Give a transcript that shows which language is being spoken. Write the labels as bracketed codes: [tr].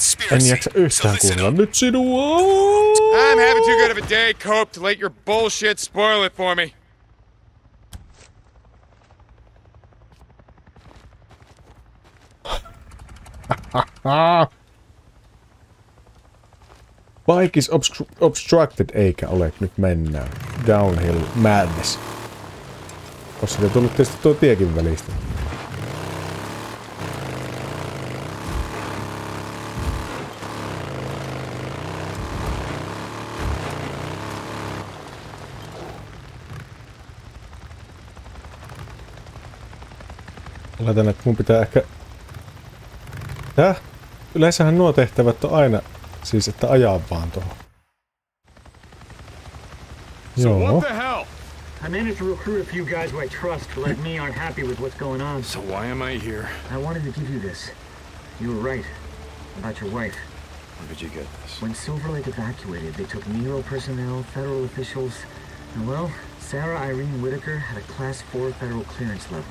[fi] En jaksa yhtään kuunnella nyt sinua! [en] I'm having too good of a day, Cope, to let your bullshit spoil it for me. Bike is obstructed, [fi] eikä ole nyt mennään. [en] Downhill madness. [fi] On sitä tullut tietysti tuo tiekin välistä. Laitan, että mun pitää ehkä... Täh? Yleensähän nuo tehtävät on aina siis, että ajaa vaan tuohon. Joo. [en] So what the hell? I managed to recruit a few guys who I trust, but like me aren't happy with what's going on. So why am I here? I wanted to give you this. You were right about your wife. When did you get this? When Silver Lake evacuated, they took Nero personnel, federal officials, and well, Sarah Irene Whitaker had a class 4 federal clearance level.